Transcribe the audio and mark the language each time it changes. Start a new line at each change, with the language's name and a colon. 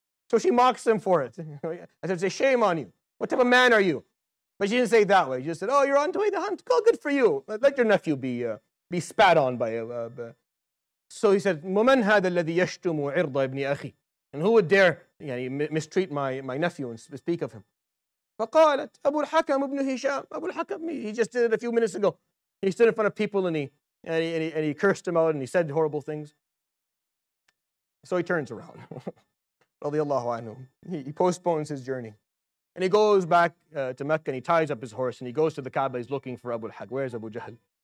English: So she mocks him for it. I said, shame on you. What type of man are you? But she didn't say it that way. She just said, oh, you're on the way to hunt. Well, good for you. Let your nephew be spat on by so he said,
Arabic: "Muman hada alladhi yashtumu 'irda ibni akhi?"
English: And who would dare, you know, mistreat my nephew and speak of him?
Arabic: فقالت أبو الحكم ابن هشام.
English: أبو الحكم, he just did it a few minutes ago. He stood in front of people and he cursed him out and he said horrible things. So he turns around, radiyallahu anhu. He postpones his journey. And he goes back to Mecca and he ties up his horse and he goes to the Kaaba. He's looking for Abu al-Hakam. Where is Abu Jahl?